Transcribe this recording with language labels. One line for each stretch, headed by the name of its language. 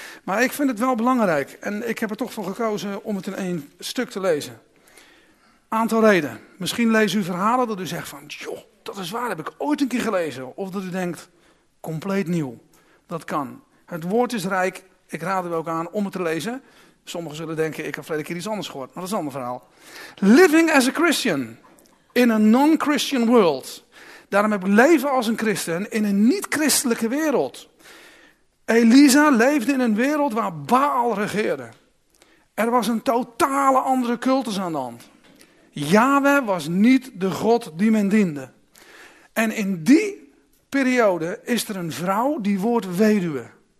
Dutch: Maar ik vind het wel belangrijk en ik heb er toch voor gekozen om het in 1 stuk te lezen. Aantal redenen. Misschien leest u verhalen dat u zegt van, joh, dat is waar, heb ik ooit een keer gelezen. Of dat u denkt, compleet nieuw. Dat kan. Het woord is rijk. Ik raad u ook aan om het te lezen. Sommigen zullen denken, ik heb vorige keer iets anders gehoord. Maar dat is een ander verhaal.
English: Living as a Christian in a non-Christian world.
Dutch: Daarom heb ik leven als een christen in een niet-christelijke wereld. Elisa leefde in een wereld waar Baal regeerde. Er was een totale andere cultus aan de hand. Yahweh was niet de God die men diende. En in die periode is er een vrouw die wordt weduwe.